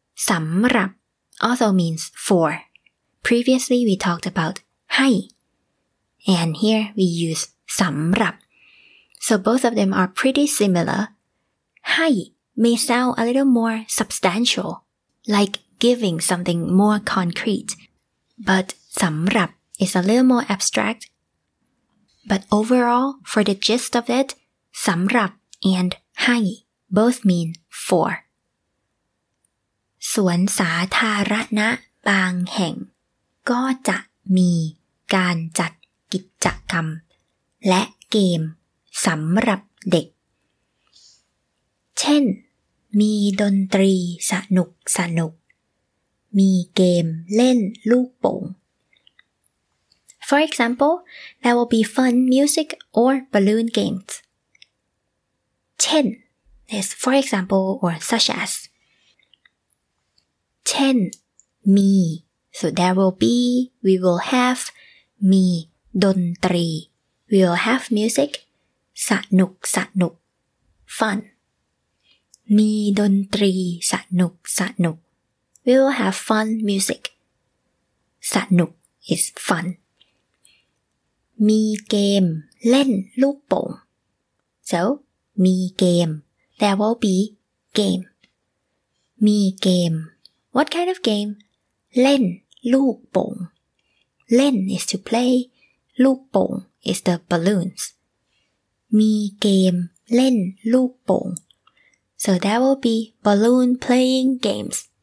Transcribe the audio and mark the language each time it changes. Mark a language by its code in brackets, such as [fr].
[en] สำหรับ also means for previously we talked about ให้ and here we use สำหรับ so both of them are pretty similar ให้ may sound a little more substantial like giving something more concrete butสำหรับ is a little more abstract. But overall, for the gist of it, สำหรับ and ให้ both mean for. [th] สวนสาธารณะบางแห่งก็จะมีการจัดกิจกรรมและเกมสำหรับเด็กเช่นมีดนตรีสนุกสนุกมีเกมเล่นลูกโป่ง [en] For example, there will be fun music or balloon games. เช่น is for example or such as. [th] เช่น มี [en] so there will be, we will have, [th] มีดนตรี [en] we will have music, [th] สนุกสนุก [en] fun. [th] มีดนตรีสนุกสนุก [en] we will have fun music. สนุก is fun. [th] มีเกมเล่นลูกโป่ง [en] so มีเกม there will be game มีเกม what kind of game [th] เล่นลูกโป่งเล่น [en] is to play ลูกโป่ง is the balloons มีเกมเล่นลูกโป่ง so there will be balloon playing games